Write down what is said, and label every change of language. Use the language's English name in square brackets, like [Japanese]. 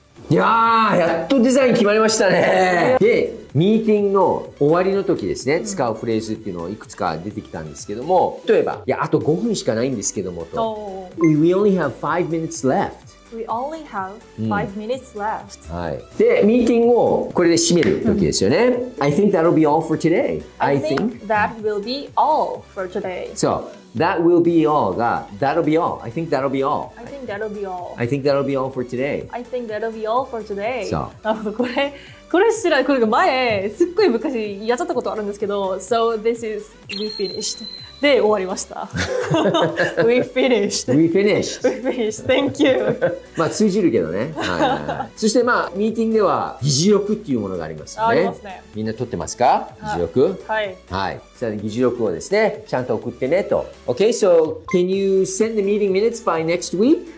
[Japanese] いやー、やっとデザイン決まりましたね。で、ミーティングの終わりの時ですね、使うフレーズっていうのをいくつか出てきたんですけども、例えば、いや、あと5分しかないんですけどもと。 [English] We only have 5 minutes left. We only have 5 minutes left.、 [Japanese] はい、で、ミーティングをこれで締める時ですよね。 [English] I think that'll be all for today. I think that will be all for today. So,That will be all. That'll be all. I think that'll be all. I think that'll be all. I think that'll be all for today. I think that'll be all for today. So. [Japanese] なるほど、これ知らない。これが前、すっごい昔やっちゃったことあるんですけど、 [English] So this is, we finished. [Japanese] で、終わりました。 [English] We finished. We finished. We finished. Thank you. [Japanese] まあ、通じるけどね。はい、そしてまあ、ミーティングでは、議事録っていうものがありますよね。ありますね。みんな撮ってますか議事録。はい。はい。議事録をですね、ちゃんと送ってねと。 [English] Okay, so can you send the meeting minutes by next week?